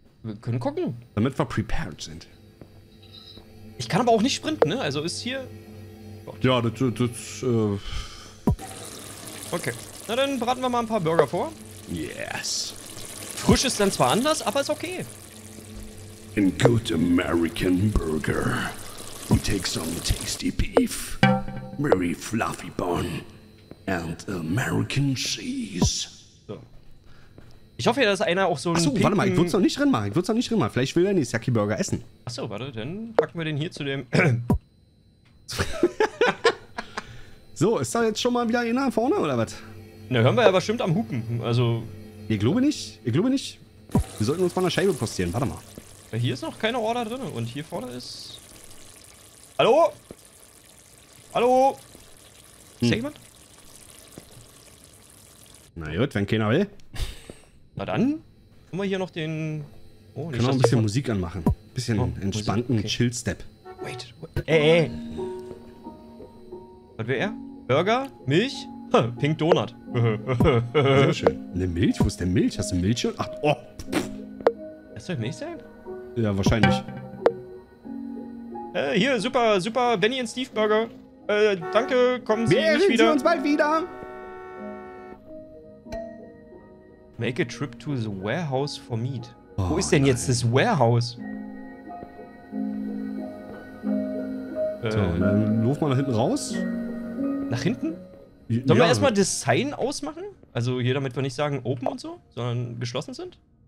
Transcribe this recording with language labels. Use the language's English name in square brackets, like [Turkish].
[German] Wir können gucken. Damit wir prepared sind. Ich kann aber auch nicht sprinten, ne? Also ist hier. Gott. Ja, das. Okay. Na dann braten wir mal ein paar Burger vor. [English] Yes. [German] Frisch ist dann zwar anders, aber ist okay. [English] In good American burger, we take some tasty beef, very fluffy bun, and American cheese. [German] So. Ich hoffe ja, dass einer auch so einen. Achso, warte mal, ich würd's noch nicht rinmachen. Vielleicht will er nicht Yaki Burger essen. Achso, warte, dann packen wir den hier zu dem. So, ist da jetzt schon mal wieder einer vorne oder was? Na, hören wir ja bestimmt am Hupen. Also. Ich glaube nicht. Wir sollten uns mal eine Scheibe postieren, warte mal. Hier ist noch keine Order drin und hier vorne ist. Hallo? Hallo? Ist da jemand? Na gut, wenn keiner will. Na dann, können wir hier noch den. Oh, können wir ein bisschen Musik anmachen. Bisschen entspannten okay. Chill-Step. [English] Wait. Ey! [German] Was wäre er? Burger, Milch, Pink Donut. Sehr schön. Eine Milch? Wo ist denn Milch? Hast du Milch schon? Ach, oh! Das soll Milch sein? Ja, wahrscheinlich. Hier, super, Benny und Steve Burger. Danke, kommen Sie nicht wieder. Wir sehen uns bald wieder. [English] Make a trip to the warehouse for meat. [German] Oh, wo ist denn jetzt das Warehouse? So, dann lauf mal nach hinten raus. Nach hinten? Sollen wir erstmal Design ausmachen? Also hier, damit wir nicht sagen open und so, sondern geschlossen sind?